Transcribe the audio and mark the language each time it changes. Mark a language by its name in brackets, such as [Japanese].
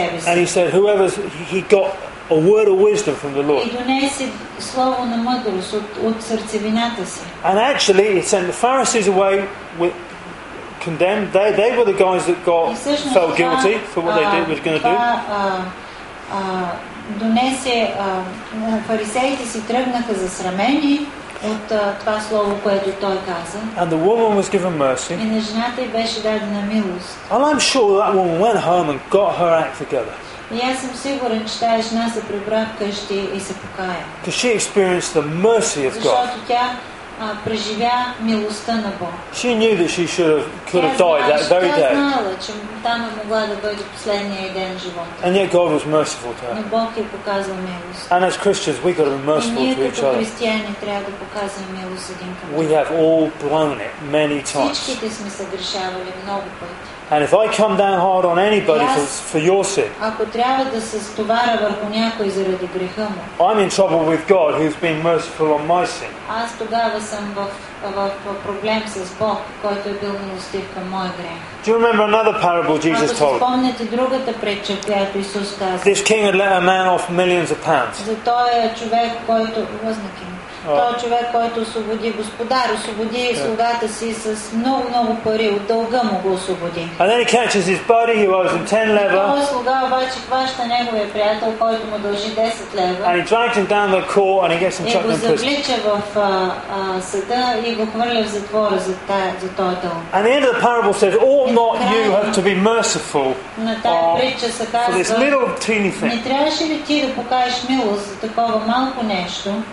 [English] And he said, whoever he got a word of wisdom from the Lord. And actually, he sent the Pharisees away with condemned. They were the guys that got felt guilty for what they did, were going to do. [Bulgarian] Донесе фарисеите си тръгнаха засрамени от това слово, което той каза. [English] And the woman was given mercy. [Bulgarian] И на жената й беше дадена милост. [English] And I'm sure that woman went home and got her act together. [Bulgarian] И аз съм сигурен, че тази жена се прибра вкъщи и се покая. [English] Because she experienced the mercy of God. [Bulgarian] Защото тя преживя милостта на Бог. [English] She knew that she could have died that very day. [Bulgarian] Тя знала, че там е могла да бъде последния ден живота. [English] And yet God was merciful to her. [Bulgarian] Но Бог е показал милост. [English] And as Christians, we've got to be merciful to each other. [Bulgarian] И ние като християни трябва да показваме милост един към друг. [English] We have all blown it many times. [Bulgarian] Всичките сме съгрешавали много пъти. [English] And if I come down hard on anybody for your sin, [Bulgarian] ако трябва да се стоваря върху някой заради греха му, [English] I'm in trouble with God who's been merciful on my sin. [Bulgarian] Аз тогава съм в проблем с Бог, който е бил милостив към моя грех. [English] Do you remember another parable Jesus told? [Bulgarian] Спомнете другата притча, която Исус каза. [English] This king had let a man off millions of pounds. [Bulgarian] За този човек, който възнаки. Той човек, който освободи господар, освободи слугата си с много, много пари, от дълга му го освободи. [English] And then he catches his buddy, he owes him 10 lever. [Bulgarian] Той слуга обаче хваща неговия приятел, който му дължи 10 лева. [English] And he drags him down the court and he gets him chucked in prison. [Bulgarian] И го завлича в съда и го хвърля в затвора за този дълг. [English] And the end of the parable says, ought not you have to be merciful for this little teeny thing? [Bulgarian] Не трябваше ли ти да покажеш милост за такова малко нещо?